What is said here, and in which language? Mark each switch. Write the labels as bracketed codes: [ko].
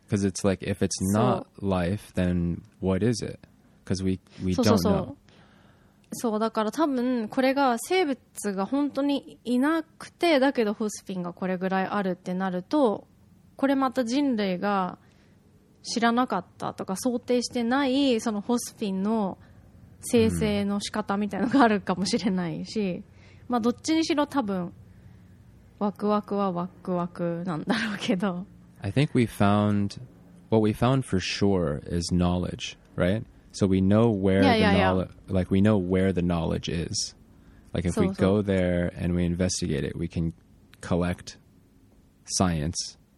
[en] Because it's like, if it's not life, then what is it? Because we don't know. [ja] そうだから多分これが生物が本当にいなくてだけどホスピンがこれぐらいあるってなるとこれまた人類が知らなかったとか想定してないそのホスピンの生成の仕方みたいなのがあるかもしれないし、うん、まあどっちにしろ多分ワクワクはワクワクなんだろうけど [en] I think we found what we found for sure is knowledge, right? So we know where like we know where the knowledge is. Like if we go there and we investigate it, we can collect science.